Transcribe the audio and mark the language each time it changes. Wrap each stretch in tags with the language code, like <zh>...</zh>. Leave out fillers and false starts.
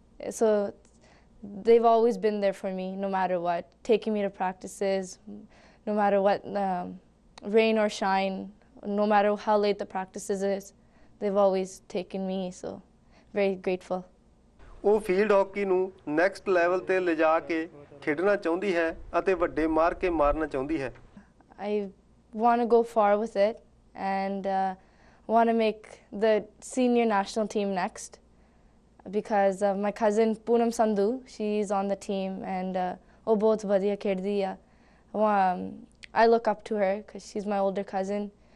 <en>So they've always been there for me, no matter what, taking me to practices, no matter what, rain or shine, no matter how late the practices is, they've always taken me, so very grateful.</en> <pa>ਉਹ field hockey ਨੂੰ next level ਤੇ ਲਿਜਾ ਕੇ ਖੇਡਣਾ ਚਾਹੁੰਦੀ ਹੈ ਅਤੇ ਵੱਡੇ ਮਾਰ ਕੇ ਮਾਰਨਾ ਚਾਹੁੰਦੀ ਹੈ।</pa> <en>I want to go far with it and want to make the senior national team next, because my cousin Poonam Sandhu, she's on the team, and oh,</en> <hi>bahut badhiya khelti hai.</hi> <en>I look up to her because she's my older cousin.</en>